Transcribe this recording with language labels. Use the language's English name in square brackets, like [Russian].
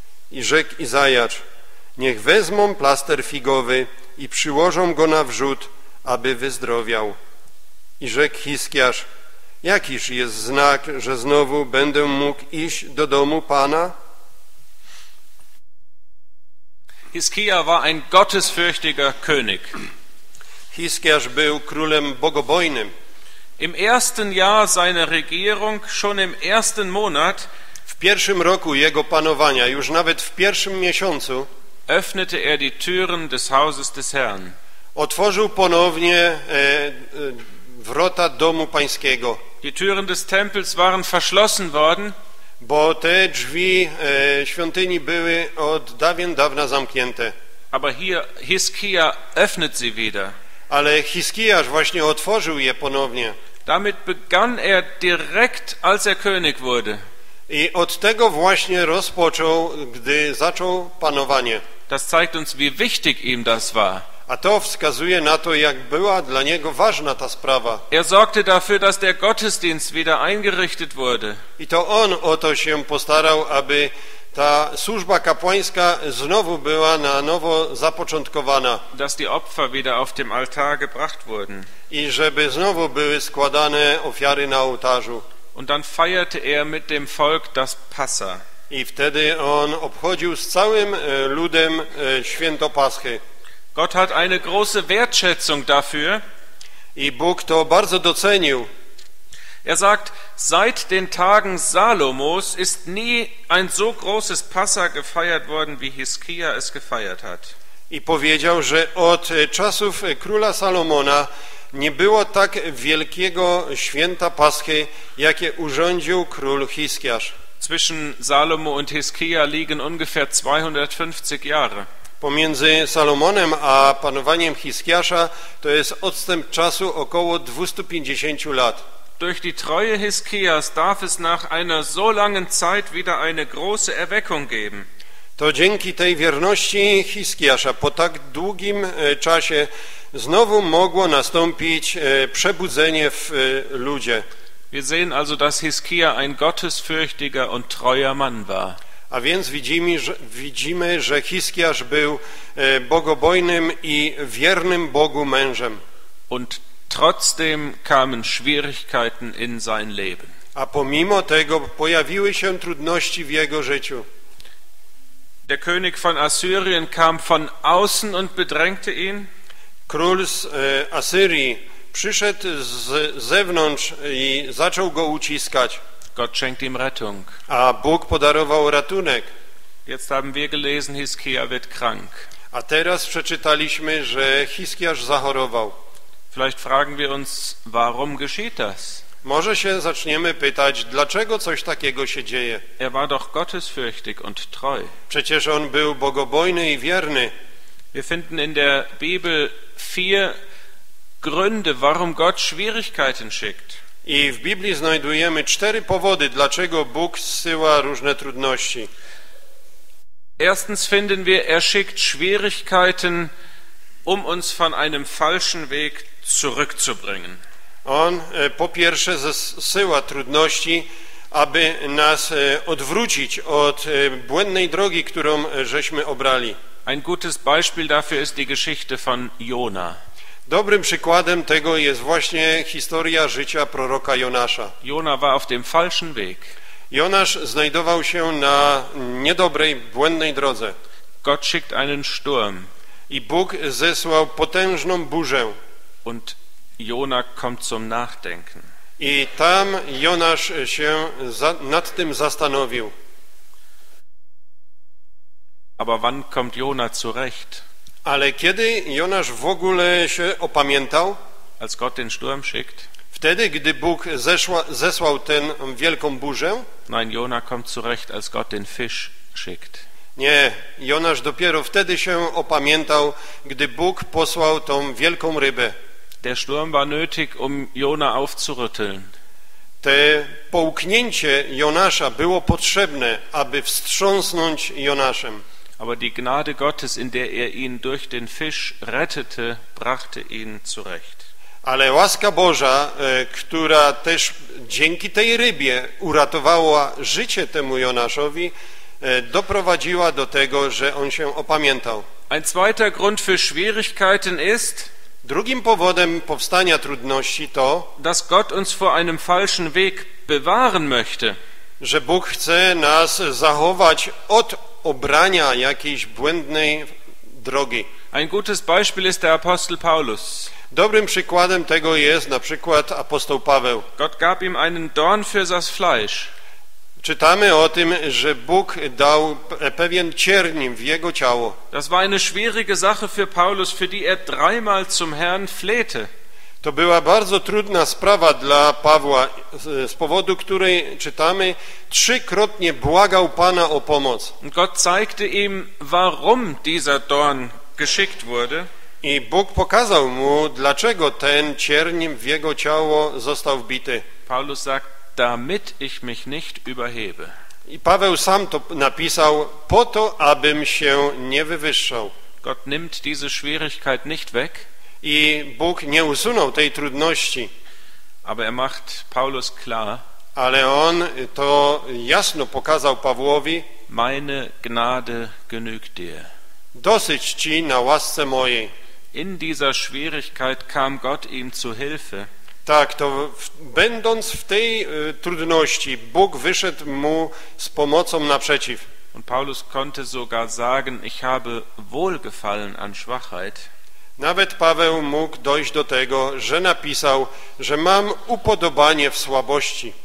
[Polish] I rzekł Izajasz: Niech wezmą plaster figowy i przyłożą go na wrzód, aby wyzdrowiał. I rzekł Hiskiasz: Jakiż jest znak, że znowu będę mógł iść do domu Pana? [German] Hiskia war ein gottesfürchtiger König. [Polish] Hiskiasz był królem bogobojnym. [German] Im ersten Jahr seiner Regierung, schon im ersten Monat, [Polish] w pierwszym roku jego panowania, już nawet w pierwszym miesiącu, [German] öffnete die Türen des Hauses des Herrn. [Polish] Otworzył ponownie wrota domu pańskiego. [German] Die Türen des Tempels waren verschlossen worden. [Polish] Bo te drzwi świątyni były od dawien dawna zamknięte. [German] Aber hier Hiskia öffnet sie wieder. [Polish] Ale Hiskiasz właśnie otworzył je ponownie. [German] Damit begann er direkt, als er König wurde. [Polish] I od tego właśnie rozpoczął, gdy zaczął panowanie. [German] Das zeigt uns, wie wichtig ihm das war. [Polish] A to wskazuje na to, jak była dla niego ważna ta sprawa. [German] Er sorgte dafür, dass der Gottesdienst wieder eingerichtet wurde. [Polish] I to on o to się postarał, aby ta służba kapłańska znowu była na nowo zapoczątkowana. [German] Dass die Opfer wieder auf dem Altar gebracht wurden. [Polish] I żeby znowu były składane ofiary na ołtarzu. [German] Und dann feierte er mit dem Volk das Passa. [Polish] I wtedy on obchodził z całym ludem święto Paschy. [German] Gott hat eine große Wertschätzung dafür. [Polish] I Bóg to bardzo docenił. [German] Er sagt, seit den Tagen Salomos ist nie ein so großes Passa gefeiert worden, wie Hiskia es gefeiert hat. [Polish] I powiedział, że od czasów króla Salomona nie było tak wielkiego święta Paschy, jakie urządził król Hiskiasz. [German] Zwischen Salomo und Hiskia liegen ungefähr 250 Jahre. [Polish] Pomiędzy Salomonem a panowaniem Hiskiasza to jest odstęp czasu około 250 lat. [German] Durch die Treue Hiskias darf es nach einer so langen Zeit wieder eine große Erweckung geben. [Polish] To dzięki tej wierności Hiskiasza po tak długim czasie znowu mogło nastąpić przebudzenie w ludzie. [German] Wir sehen also, dass Hiskia ein gottesfürchtiger und treuer Mann war. [Polish] A więc widzimy, że Hiskiasz był bogobojnym i wiernym Bogu mężem. [German] Und trotzdem kamen Schwierigkeiten in sein Leben. [Polish] A pomimo tego pojawiły się trudności w jego życiu. [German] Der König von Assyrien kam von außen und bedrängte ihn. [Polish] Król z Asyrii przyszedł z zewnątrz i zaczął go uciskać. [German] Gott schenkt ihm Rettung. [Polish] A Bóg podarował ratunek. [German] Jetzt haben wir gelesen, Hiskia wird krank. [Polish] A teraz przeczytaliśmy, że Hiskiasz zachorował. [German] Vielleicht fragen wir uns, warum geschieht das? [Polish] Może się zaczniemy pytać, dlaczego coś takiego się dzieje? [German] Er war doch gottesfürchtig und treu. [Polish] Przecież on był bogobojny i wierny. [German] Wir finden in der Bibel vier Gründe, warum Gott Schwierigkeiten schickt. [Polish] I w Biblii znajdujemy cztery powody, dlaczego Bóg zsyła różne trudności. [German] Erstens finden wir, er schickt Schwierigkeiten, um uns von einem falschen Weg zurückzubringen. [Polish] On po pierwsze zsyła trudności, aby nas odwrócić od błędnej drogi, którą żeśmy obrali. [German] Ein gutes Beispiel dafür ist die Geschichte von Jona. [Polish] Dobrym przykładem tego jest właśnie historia życia proroka Jonasza. [German] Jona war auf dem falschen Weg. [Polish] Jonasz znajdował się na niedobrej, błędnej drodze. [German] Gott schickt einen Sturm. [Polish] I Bóg zesłał potężną burzę. [German] Und Jona kommt zum Nachdenken. [Polish] I tam Jonasz się nad tym zastanowił. [German] Aber wann kommt Jona zurecht? [Polish] Ale kiedy Jonasz w ogóle się opamiętał? [German] Als Gott den Sturm schickt. [Polish] Wtedy, gdy Bóg zesłał tę wielką burzę? [German] Nein, Jona kommt zurecht, als Gott den Fisch schickt. [Polish] Nie, Jonasz dopiero wtedy się opamiętał, gdy Bóg posłał tą wielką rybę. [German] Der Sturm war nötig, um Jona aufzurütteln. [Polish] To połknięcie Jonasza było potrzebne, aby wstrząsnąć Jonaszem. [German] Aber die Gnade Gottes, in der er ihn durch den Fisch rettete, brachte ihn zurecht. [Polish] Ale łaska Boża, która też dzięki tej rybie uratowała życie temu Jonaszowi, doprowadziła do tego, że on się opamiętał. [German] Ein zweiter Grund für Schwierigkeiten ist, [Polish] drugim powodem powstania trudności to, [German] dass Gott uns vor einem falschen Weg bewahren möchte. [Polish] Że Bóg chce nas zachować od obrania jakiejś błędnej drogi. [German] Ein gutes Beispiel ist der Apostel Paulus. [Polish] Dobrym przykładem tego jest na przykład apostoł Paweł. [German] Gott gab ihm einen Dorn für das Fleisch. [Polish] Czytamy o tym, że Bóg dał pewien cierń w jego ciało. [German] Das war eine schwierige Sache für Paulus, für die er dreimal zum Herrn flehte. [Polish] To była bardzo trudna sprawa dla Pawła, z powodu której czytamy, trzykrotnie błagał Pana o pomoc. [German] Gott zeigte ihm, warum dieser Dorn geschickt wurde. [Polish] I Bóg pokazał mu, dlaczego ten cierń w jego ciało został wbity. [German] Paulus sagt, damit ich mich nicht überhebe. [Polish] I Paweł sam to napisał, po to, abym się nie wywyższał. [German] Gott nimmt diese Schwierigkeit nicht weg. [Polish] I Bóg nie usunął tej trudności. [German] Aber er macht Paulus klar. [Polish] Ale on to jasno pokazał Pawłowi. [German] Meine Gnade genügt dir. [Polish] Dosyć ci na łasce mojej. [German] In dieser Schwierigkeit kam Gott ihm zu Hilfe. [Polish] Tak, to będąc w tej trudności, Bóg wyszedł mu z pomocą naprzeciw. [German] Und Paulus konnte sogar sagen, ich habe wohlgefallen an Schwachheit. [Polish] Nawet Paweł mógł dojść do tego, że napisał, że mam upodobanie w słabości.